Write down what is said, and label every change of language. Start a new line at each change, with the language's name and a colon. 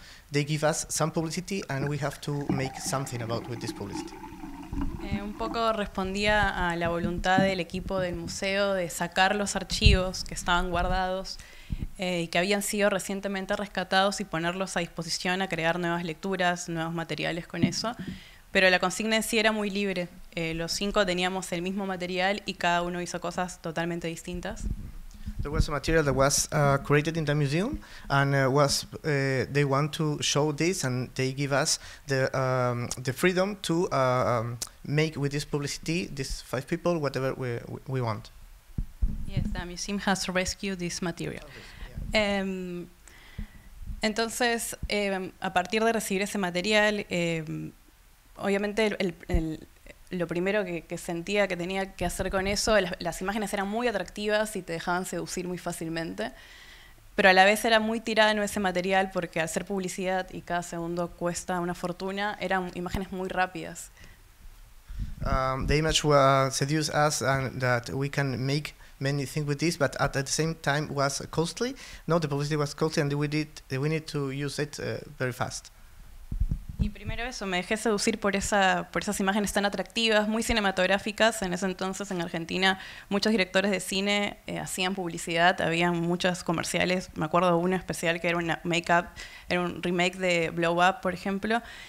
English: They give us some publicity, and we have to make something about with this publicity.
Spanish: Un poco respondía a la voluntad del equipo del museo de sacar los archivos que estaban guardados y que habían sido recientemente rescatados y ponerlos a disposición a crear nuevas lecturas, nuevos materiales con eso. Pero la consigna en sí era muy libre. Los 5 teníamos el mismo material y cada uno hizo cosas totalmente distintas.
English: There was a material that was created in the museum, and was they want to show this, and they give us the freedom to make with this publicity, these 5 people, whatever we want. Yes, the museum has rescued this material. Oh, this, yeah.
Spanish: Entonces, a partir de recibir ese material, obviamente lo primero que sentía que tenía que hacer con eso, las imágenes eran muy atractivas y te dejaban seducir muy fácilmente, pero a la vez era muy tirano ese material porque al ser publicidad y cada segundo cuesta una fortuna, eran imágenes muy rápidas.
English: The image seduced us and that we can make many things with this, but at the same time was costly. No, the publicity was costly and we need to use it very fast.
Spanish: Y primero eso, me dejé seducir por esas imágenes tan atractivas, muy cinematográficas. En ese entonces, en Argentina, muchos directores de cine hacían publicidad, había muchos comerciales. Me acuerdo uno especial que era una make-up, era un remake de Blow Up, por ejemplo.